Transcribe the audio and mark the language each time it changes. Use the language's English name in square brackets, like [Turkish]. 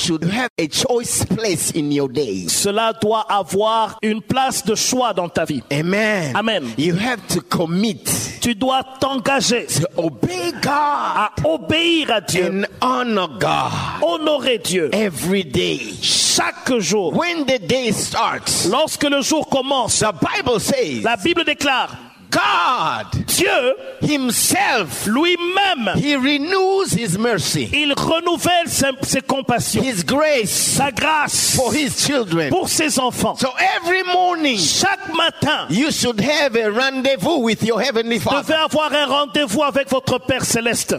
[English] Should have a choice place in your day. [French] Cela doit avoir une place de choix dans ta vie. [English] Amen. [French] Amen. [English] You have to commit. [French] Tu dois t'engager. [English] To obey God. [French] À obéir à Dieu. [English] And honor God. [French] Honorer Dieu. [English] Every day. [French] Chaque jour. [English] When the day starts. [French] Lorsque le jour commence. [English] The Bible says. [French] La Bible déclare. [English] God, [French] Dieu, [English] himself, [French] lui-même, [English] he renews his mercy. [French] Il renouvelle ses compassions. [English] His grace, [French] sa grâce, [English] for his children, [French] pour ses enfants. [English] So every morning, [French] chaque matin, [English] you should have a rendezvous with your heavenly Father. [French] Vous devez avoir un rendez-vous avec votre Père céleste.